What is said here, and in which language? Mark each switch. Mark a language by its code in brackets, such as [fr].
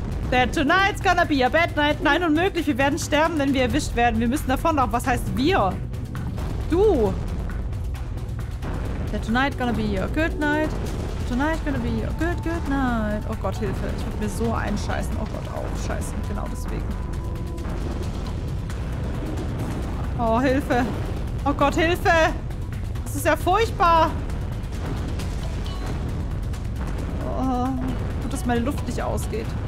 [en] That tonight's gonna be a bad night. [de] Nein, unmöglich. Wir werden sterben, wenn wir erwischt werden. Wir müssen davon laufen. Was heißt wir? Du. [en] That tonight's gonna be a good night. Tonight's gonna be a good, good night. [de] Oh Gott, Hilfe. Ich würde mir so einscheißen. Oh Gott, auch scheißen. Genau deswegen. Oh, Hilfe. Oh Gott, Hilfe. Das ist ja furchtbar. Oh, gut, dass meine Luft nicht ausgeht.